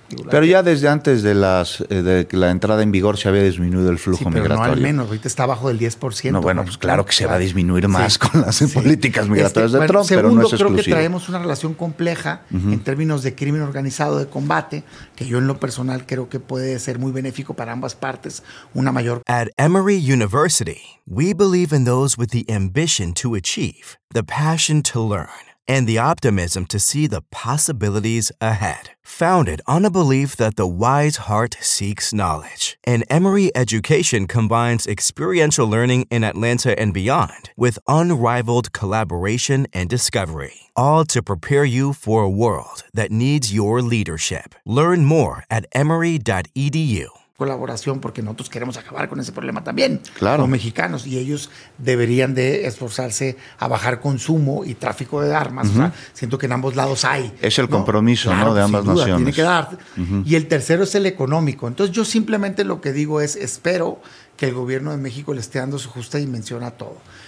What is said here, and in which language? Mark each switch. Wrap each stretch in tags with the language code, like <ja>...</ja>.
<es>Pero ya desde antes de la entrada en vigor se había disminuido el flujo migratorio. Sí, pero no al menos, ahorita está bajo del 10%. No, bueno, pues claro que se va a disminuir más con las políticas migratorias de Trump, pero no es exclusivo. Segundo, creo que traemos una relación compleja, uh-huh, en términos de crimen organizado, de combate, que yo en lo personal creo que puede ser muy benéfico para ambas partes, una mayor...</es> <en>At Emory University, we believe in those with the ambition to achieve, the passion to learn, and the optimism to see the possibilities ahead. Founded on a belief that the wise heart seeks knowledge, an Emory education combines experiential learning in Atlanta and beyond with unrivaled collaboration and discovery, all to prepare you for a world that needs your leadership. Learn more at emory.edu.</en> <es>colaboración, porque nosotros queremos acabar con ese problema también. Claro. Como mexicanos, y ellos deberían de esforzarse a bajar consumo y tráfico de armas. Uh-huh. O sea, siento que en ambos lados hay. Es el compromiso, ¿no? Claro, de ambas sin duda, naciones. Tiene que dar. Uh-huh. Y el tercero es el económico. Entonces, yo simplemente lo que digo es, espero que el gobierno de México le esté dando su justa dimensión a todo.</es>